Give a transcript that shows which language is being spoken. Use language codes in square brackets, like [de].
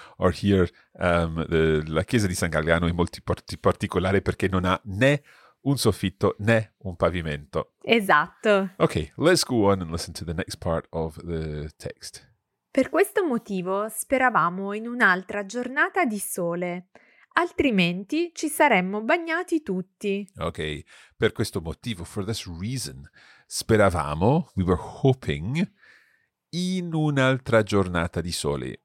[en] Or here, [it] la chiesa di San Galgano è molto particolare perché non ha né un soffitto né un pavimento. Esatto. [en] Okay. Let's go on and listen to the next part of the text. [it] Per questo motivo speravamo in un'altra giornata di sole, altrimenti ci saremmo bagnati tutti. Okay. Per questo motivo, [en] for this reason, [it] speravamo, [en] we were hoping, [it] in un'altra giornata di sole.